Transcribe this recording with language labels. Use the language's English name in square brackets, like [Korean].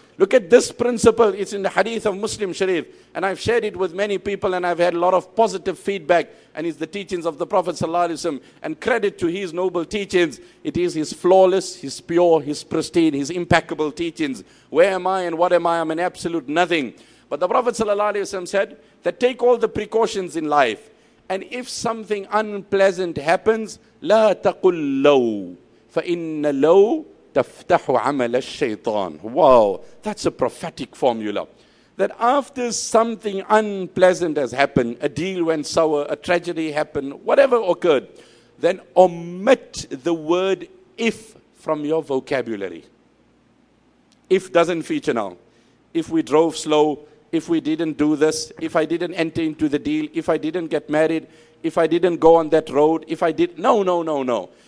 [English] Look at this principle. It's in the hadith of Muslim Sharif. And I've shared it with many people and I've had a lot of positive feedback. And it's the teachings of the Prophet Sallallahu Alaihi Wasallam. And credit to his noble teachings. It is his flawless, his pure, his pristine, his impeccable teachings. Where am I and what am I? I'm an absolute nothing. But the Prophet Sallallahu Alaihi Wasallam said that take all the precautions in life. And if something unpleasant happens, [Arabic] لا تقل لو فإن لو تفتح عمل الشيطان. [English] Wow, that's a prophetic formula. That after something unpleasant has happened, a deal went sour, a tragedy happened, whatever occurred, then omit the word if from your vocabulary. If doesn't feature now. If we drove slow, if we didn't do this, if I didn't enter into the deal, if I didn't get married, if I didn't go on that road, if I did, no.